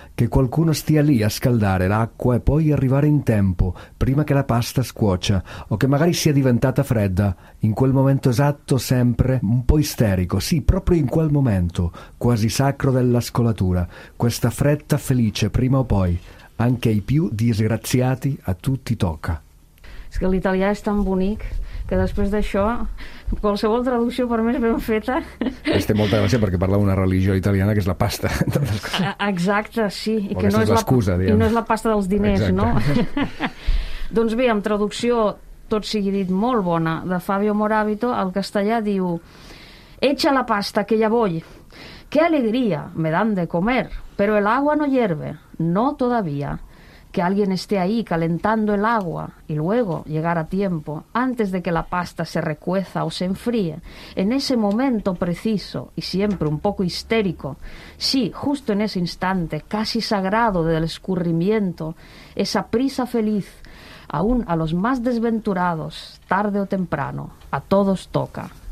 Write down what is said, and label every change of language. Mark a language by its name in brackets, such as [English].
[Italian] Che qualcuno stia lì a scaldare l'acqua e poi arrivare in tempo, prima che la pasta scuocia, o che magari sia diventata fredda, in quel momento esatto, sempre, un po' isterico, sì, proprio in quel momento, quasi sacro della scolatura, questa fretta felice, prima o poi, anche ai più disgraziati, a tutti tocca. [Catalan] Es que l'italià è tan bonic que després d'això, qualsevol traducció per més ben feta... Es té molta gràcia perquè parla d'una religió italiana que és la pasta. Exacte, sí. I que no és l'excusa, diguem. I no és la pasta dels diners, exacte, no? Doncs bé, amb traducció, tot sigui dit, molt bona, de Fabio Morabito, el castellà diu: [Spanish] echa la pasta, que ya voy. Qué alegría, me dan de comer, pero el agua no hierve, no todavía. Que alguien esté ahí calentando el agua y luego llegar a tiempo, antes de que la pasta se recueza o se enfríe, en ese momento preciso y siempre un poco histérico, sí, justo en ese instante, casi sagrado del escurrimiento, esa prisa feliz, aún a los más desventurados, tarde o temprano, a todos toca.